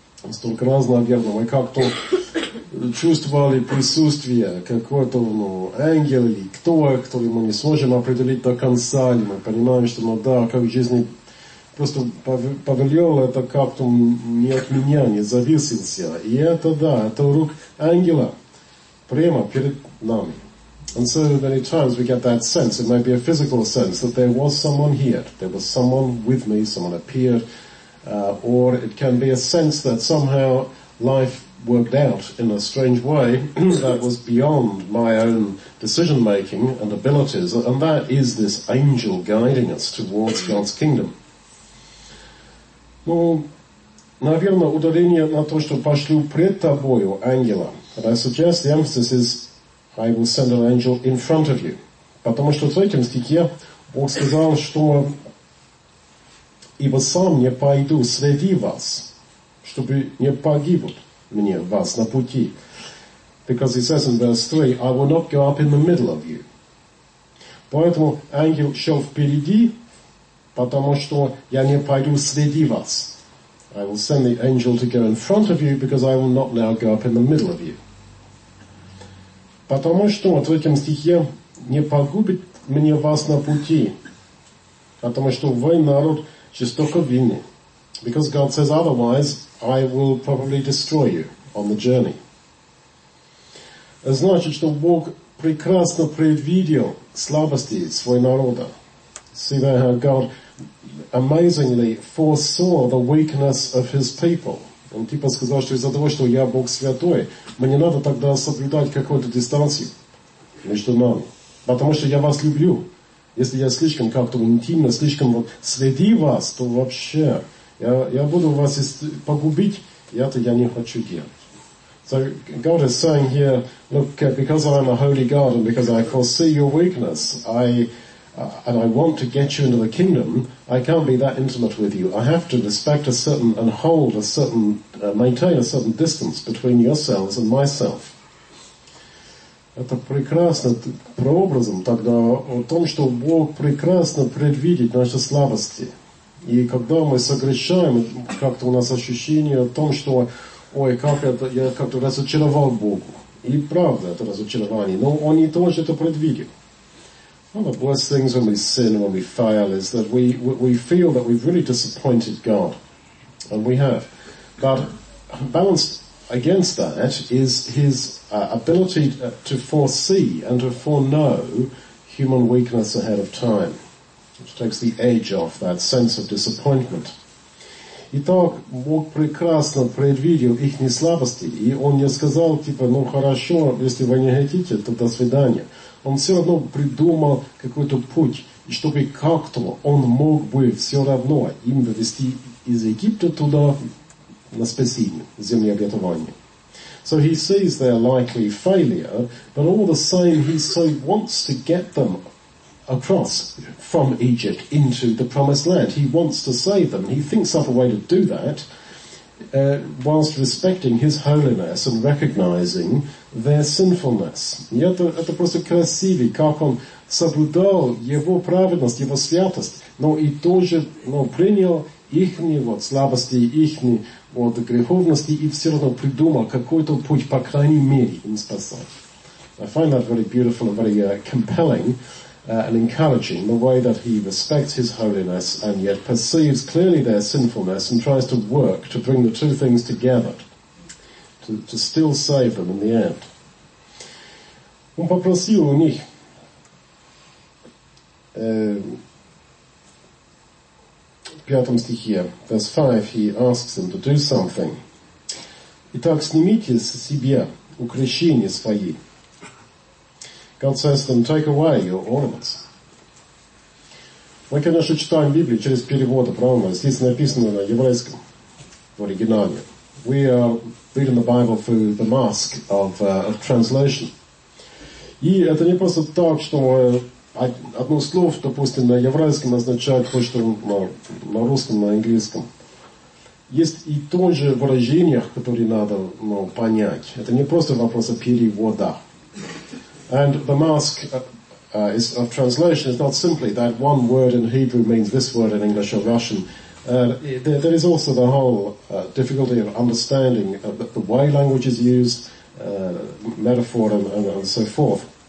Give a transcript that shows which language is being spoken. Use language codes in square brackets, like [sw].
[ru] Столько раз, наверное, мы как-то чувствовали присутствие какого-то ангела или который мы не сможем определить до конца, или мы понимаем, что как в жизни просто повелел, это как-то не от меня, не зависит сила. И это да, это рук ангела прямо перед нами. [en] And so many times we get that sense, it might be a physical sense, that there was someone here, there was someone with me, someone appeared. Or it can be a sense that somehow life worked out in a strange way that was beyond my own decision-making and abilities. And that is this angel guiding us towards God's kingdom. [ru] Наверное, ударение на то, что пошлю пред тобою ангела. [en] And I suggest the emphasis is, I will send an angel in front of you. [ru] Потому что в третьем стихе Бог сказал, что «Ибо сам не пойду среди вас, чтобы не погибут мне вас на пути». [en] Because he says in verse 3, «I will not go up in the middle of you». [ru] Поэтому ангел шел впереди, потому что я не пойду среди вас. [en] I will send the angel to go in front of you, because I will not now go up in the middle of you. [ru] Потому что, в третьем стихе, не погубит мне вас на пути, потому что вы народ жестоковинный. [en] Because God says otherwise, I will probably destroy you on the journey. [ru] Значит, что Бог прекрасно предвидел слабости своего народа. [en] See there how God amazingly foresaw the weakness of his people. [ru] Он типа сказал, что из-за того, что я Бог святой, мне надо тогда соблюдать какую-то дистанцию между нами. Потому что я вас люблю. Если я слишком как-то интимно, слишком вот среди вас, то вообще я буду вас погубить, и это я не хочу делать. [en] So God is saying here, look, because I'm a holy God and because I foresee your weakness, I want to get you into the kingdom, I can't be that intimate with you. I have to respect a certain and hold a certain, maintain a certain distance between yourselves and myself. [ru] Это прекрасно прообразом тогда о том, что Бог прекрасно предвидит наши слабости. И когда мы согрешаем, как-то у нас ощущение о том, что ой, как это, я как-то разочаровал Богу. И правда, это разочарование. Но Он и тоже это предвидит. [en] One of the worst things when we sin, when we fail, is that we feel that we've really disappointed God. And we have. But balanced against that is his ability to foresee and to foreknow human weakness ahead of time. Which takes the edge off that sense of disappointment. [ru] Итак, Бог прекрасно предвидел их слабости, и Он не сказал, типа, ну хорошо, если вы не хотите, то до свидания. Он все равно придумал какой-то путь, чтобы как-то он мог бы все равно им довести из Египта туда, на спасение, земле обетования. [en] So he sees their likely failure, but all the same he so wants to get them across from Egypt into the promised land. He wants to save them. He thinks up a way to do that, whilst respecting his holiness and recognizing their sinfulness. [ru] И это просто красивый, как он соблюдал его праведность, его святость, но и тоже, но принял ихние вот слабости, ихние вот греховности и все равно придумал какой-то путь, по крайней мере, им спасать. [en] I find that very beautiful and very compelling and encouraging, the way that he respects his holiness and yet perceives clearly their sinfulness and tries to work to bring the two things together, to still save them in the end. [ru] Он попросил у них в пятом стихе, [en] verse 5, he asks them to do something. [ru] Итак, снимите с себя украшения свои. [en] God says to them, take away your ornaments. [ru] Мы, конечно, читаем Библию через переводы, правильно? Здесь написано на еврейском, в оригинале. [en] We are reading the Bible through the mask of translation. [ru] И это не просто так, что одно слово, допустим, на еврейском означает то, что на русском, на английском. Есть и то же выражение, которое надо понять. Это не просто вопрос о переводе. [en] And the mask of translation is not simply that one word in Hebrew means this word in English or Russian. There is also the whole difficulty of understanding the way language is used, metaphor and so forth.